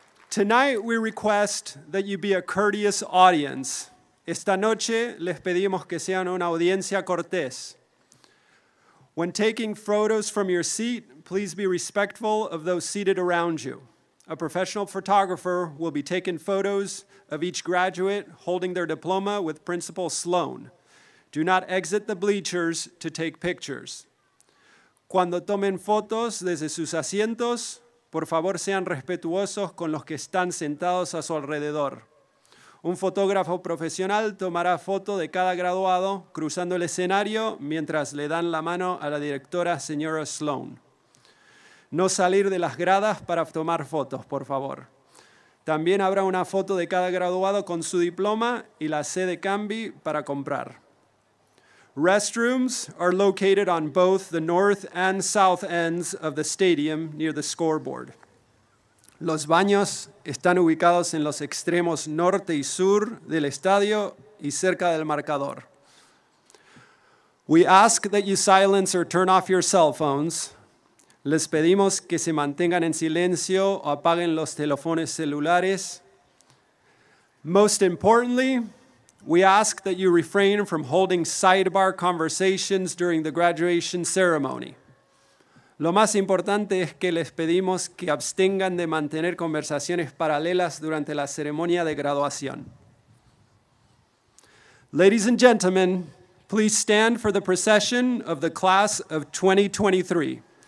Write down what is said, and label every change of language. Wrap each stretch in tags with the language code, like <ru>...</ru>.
<en>Tonight we request that you be a courteous audience.</en> <es>Esta noche les pedimos que sean una audiencia cortés.</es> <en>When taking photos from your seat, please be respectful of those seated around you. A professional photographer will be taking photos of each graduate holding their diploma with Principal Sloan. Do not exit the bleachers to take pictures.</en> <es>Cuando tomen fotos desde sus asientos, por favor sean respetuosos con los que están sentados a su alrededor. Un fotógrafo profesional tomará foto de cada graduado cruzando el escenario mientras le dan la mano a la directora, señora Sloan. No salir de las gradas para tomar fotos, por favor. También habrá una foto de cada graduado con su diploma y la sede Canby para comprar.</es> <en>Restrooms are located on both the north and south ends of the stadium near the scoreboard.</en> <es>Los baños están ubicados en los extremos norte y sur del estadio y cerca del marcador.</es> <en>We ask that you silence or turn off your cell phones.</en> <es>Les pedimos que se mantengan en silencio o apaguen los teléfonos celulares.</es> <en>Most importantly, we ask that you refrain from holding sidebar conversations during the graduation ceremony.</en> <es>Lo más importante es que les pedimos que abstengan de mantener conversaciones paralelas durante la ceremonia de graduación.</es> <en>Ladies and gentlemen, please stand for the procession of the class of 2023.</en>